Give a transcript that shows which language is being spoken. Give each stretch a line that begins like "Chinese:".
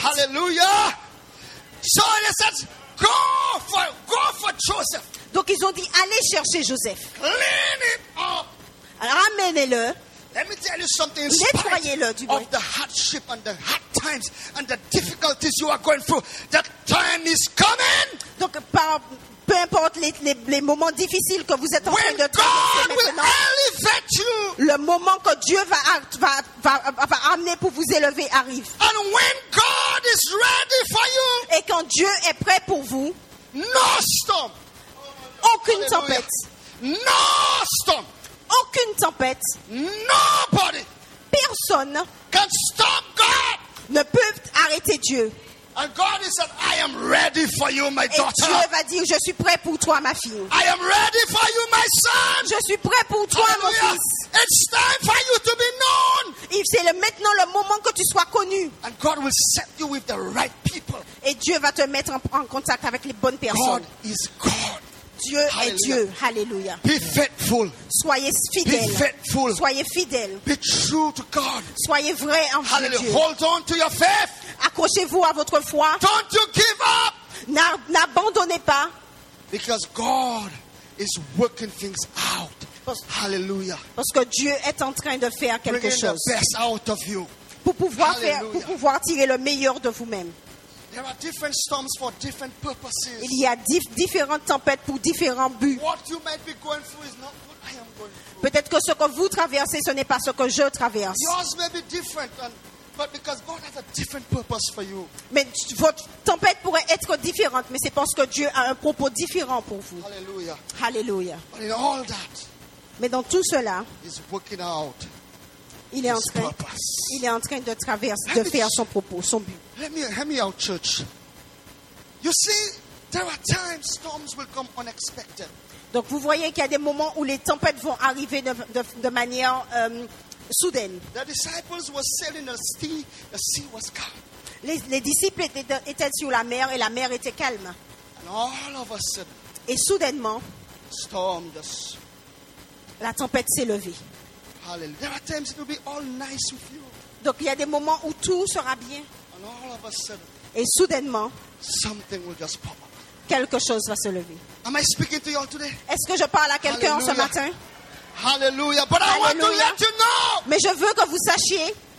English: Hallelujah. So they said, go for Joseph.
French: Donc ils ont dit, allez chercher Joseph.
English: Clean him up.
French: Ramenez-le.
English: Let me tell you something.
French: Nettoyez-le, du moins.
English: Of the hardship and the hard times and the difficulties you are going through, that time is coming.
French: Donc peu importe les moments difficiles que vous êtes en train de traverser, le moment que Dieu va amener pour vous élever arrive.
English: And when God is ready for you,
French: et quand Dieu est prêt pour vous,
English: no storm.
French: Aucune tempête.
English: No storm.
French: Aucune tempête.
English: Nobody.
French: Personne.
English: Can stop God.
French: Ne peut arrêter Dieu.
English: And God is said, I am ready for you, my daughter.
French: Et Dieu va dire, je suis prêt pour toi, ma fille.
English: I am ready for you, my son.
French: Je suis prêt pour toi, mon fils.
English: It's time for you to be known.
French: Et c'est maintenant le moment que tu sois connu.
English: And God will set you with the right people.
French: Et Dieu va te mettre en contact avec les bonnes personnes.
English: God is God.
French: Dieu Hallelujah. Est Dieu. Hallelujah.
English: Be faithful.
French: Soyez fidèle.
English: Be faithful.
French: Soyez fidèle.
English: Be true to God.
French: Soyez vrai en
English: Hallelujah.
French: Dieu.
English: Hold on to your faith.
French: Accrochez-vous à votre foi.
English: Don't you give up.
French: N'abandonnez pas.
English: Because God is working things out. Hallelujah.
French: Parce que Dieu est en train de faire quelque
English: Bringing
French: chose.
English: The best out of you.
French: Pour pouvoir tirer le meilleur de vous-même.
English: There are different storms for different purposes.
French: Il y a différentes tempêtes pour différents buts.
English: What you might be going through is not good
French: Peut-être que ce que vous traversez, ce n'est pas ce que je traverse.
English: Yours may be different, but because God has a different purpose for you.
French: Mais votre tempête pourrait être différente, mais c'est parce que Dieu a un propos différent pour vous.
English: Hallelujah. Hallelujah. But in all that,
French: mais dans tout cela,
English: he's working out
French: il est en train, il est en train de traverser, de faire son propos, son but.
English: Let me out, church. You see, there are times storms will come unexpected.
French: Donc vous voyez qu'il y a des moments où les tempêtes vont arriver de manière soudaine.
English: The disciples were sailing the sea. The sea was calm.
French: Les disciples étaient sur la mer et la mer était calme.
English: And all of a sudden,
French: et soudainement,
English: storm just...
French: la tempête s'est levée.
English: Hallelujah. There are times it will be all nice with you.
French: Donc il y a des moments où tout sera bien.
English: And all of a sudden,
French: et soudainement,
English: something will just pop up.
French: Quelque chose va se lever.
English: Am I speaking to you all today?
French: Est-ce que je parle à quelqu'un Hallelujah. Ce matin?
English: Hallelujah. But I want to let you know.
French: Mais je veux que vous sachiez.